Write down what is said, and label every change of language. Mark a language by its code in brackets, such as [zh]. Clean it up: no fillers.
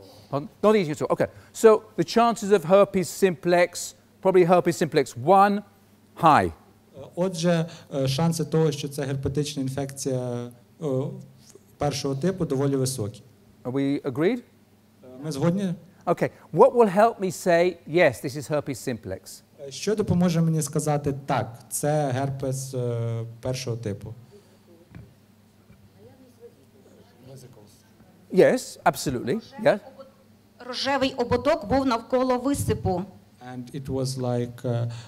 [en] Not eating at all. Okay. So the chances of herpes simplex, probably herpes simplex 1, high. [uk] Отже, шанси того, що це герпетична інфекція першого типу, доволі високі. [en] Are we agreed? [uk] Ми згодні? [en] Okay. What will help me say yes, this is herpes simplex? Що допоможе мені сказати так, це герпес першого типу? Yes, absolutely. Yeah. [uk] Рожевий ободок був навколо висипу. [en] And it was like